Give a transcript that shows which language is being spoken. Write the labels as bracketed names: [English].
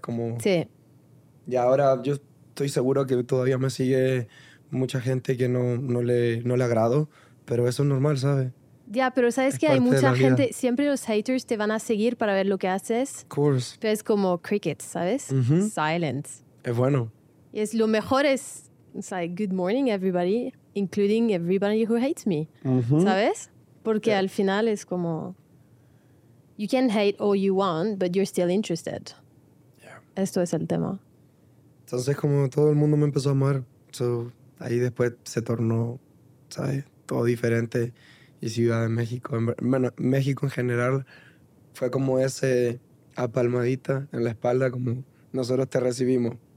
[Spanish] Como... Sí. Y ahora yo... Estoy seguro que todavía me sigue mucha gente que no le agrado, pero eso es normal, ¿sabes? Ya, pero ¿sabes que hay mucha gente? Siempre los haters te van a seguir para ver lo que haces. [English] Of course. [Spanish] Pero es como crickets, ¿sabes? Uh-huh. [English] Silence. [Spanish] Es bueno. Y es lo mejor es, [English] it's like, good morning, everybody, including everybody who hates me, uh-huh. [Spanish] ¿Sabes? Porque [English] yeah. [Spanish] Al final es como, [English] you can hate all you want, but you're still interested. Yeah. [Spanish] Esto es el tema. Entonces, como todo el mundo me empezó a amar, so, ahí después se tornó, ¿sabes? Todo diferente. Y Ciudad de México, bueno, México en general, fue como ese apalmadita en la espalda, como nosotros te recibimos.